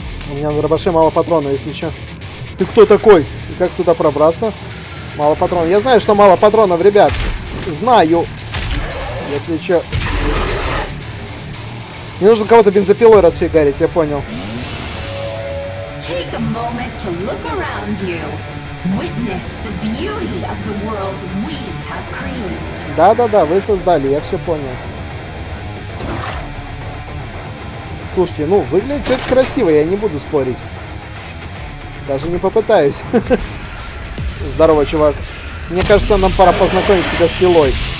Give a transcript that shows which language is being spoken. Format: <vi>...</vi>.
<ru>У меня на дробаше мало патронов, если что. Ты кто такой? И как туда пробраться? Мало патронов. Я знаю, что мало патронов, ребят. Знаю. Если что. Мне нужно кого-то бензопилой расфигарить, я понял.</ru> <en>Take a moment to look around you. Witness the beauty of the world we have created.</en> <ru>Да-да-да, вы создали, я все понял. Слушайте, ну, выглядит все это красиво, я не буду спорить. Даже не попытаюсь. Здорово, чувак. Мне кажется, нам пора познакомить тебя с пилой.</ru>